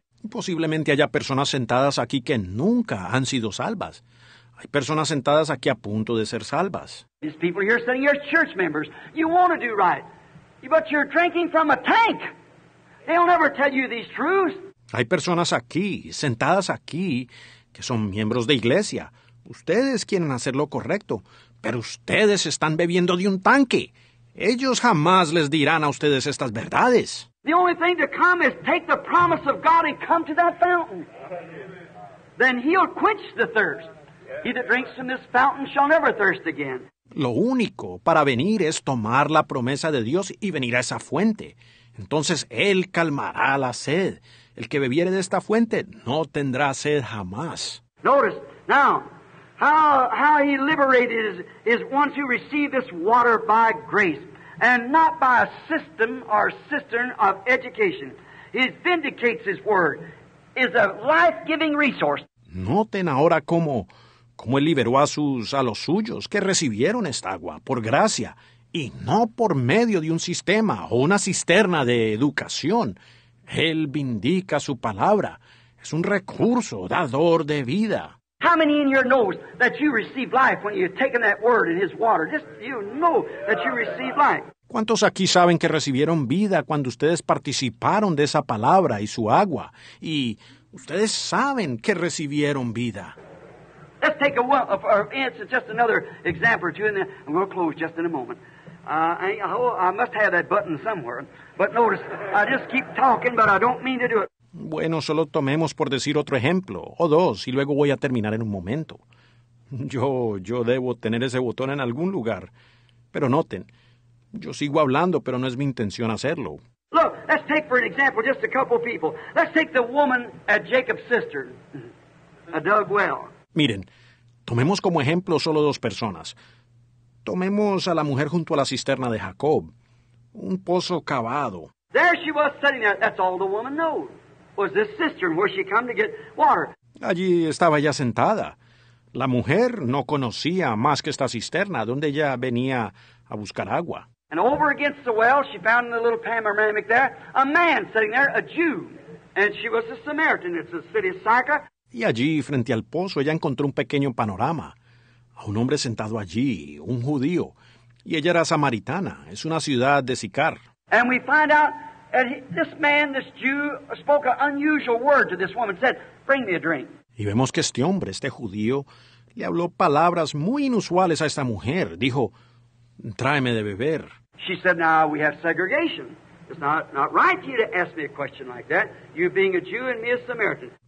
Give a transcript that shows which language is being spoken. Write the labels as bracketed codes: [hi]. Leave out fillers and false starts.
[es] Posiblemente haya personas sentadas aquí que nunca han sido salvas. Hay personas sentadas aquí a punto de ser salvas. [en] There's people here sitting here as church members. You want to do right, but you're drinking from a tank. They'll never tell you these truths. [es] Hay personas aquí, sentadas aquí, que son miembros de iglesia. Ustedes quieren hacer lo correcto, pero ustedes están bebiendo de un tanque. Ellos jamás les dirán a ustedes estas verdades. [en] The only thing to come is take the promise of God and come to that fountain. Then He'll quench the thirst. He that drinks from this fountain shall never thirst again. [es] Lo único para venir es tomar la promesa de Dios y venir a esa fuente. Entonces Él calmará la sed. El que bebiere de esta fuente no tendrá sed jamás. [en] Notice now how He liberated his ones who receive this water by grace and not by a system or cistern of education. He vindicates His word. Is a life-giving resource. [es] Noten ahora cómo Él liberó a los suyos que recibieron esta agua por gracia y no por medio de un sistema o una cisterna de educación. Él vindica su palabra. Es un recurso dador de vida. [en] How many in here knows that you receive life when you've taken that word in His water? Just you know that you receive life. [es] ¿Cuántos aquí saben que recibieron vida cuando ustedes participaron de esa palabra y su agua? Y ustedes saben que recibieron vida. [en] Let's take just another example or two, and then I'm going to close just in a moment. I must have that button somewhere, but notice, I just keep talking, but I don't mean to do it. [es] Bueno, solo tomemos por decir otro ejemplo, o dos, y luego voy a terminar en un momento. Yo debo tener ese botón en algún lugar. Pero noten, yo sigo hablando, pero no es mi intención hacerlo. [en] Look, let's take for an example just a couple people. Let's take the woman at Jacob's sister, a dug well. [es] Miren, tomemos como ejemplo solo dos personas. Tomemos a la mujer junto a la cisterna de Jacob, un pozo cavado. [en] There she was sitting there. That's all the woman knows. Was this cistern where she come to get water? [es] Allí estaba ella sentada. La mujer no conocía más que esta cisterna donde ella venía a buscar agua. [en] And over against the well, she found in the little panoramic there a man sitting there, a Jew, and she was a Samaritan. It's the city of Sychar. [es] Y allí, frente al pozo, ella encontró un pequeño panorama. A un hombre sentado allí, un judío. Y ella era samaritana. Es una ciudad de Sicar. [en] And we find out that this man, this Jew, spoke an unusual word to this woman, said, bring me a drink. [es] Y vemos que este hombre, este judío, le habló palabras muy inusuales a esta mujer. Dijo, tráeme de beber. [en] She said, now we have segregation. It's not right for you to ask me a question like that, you being a Jew and me a Samaritan.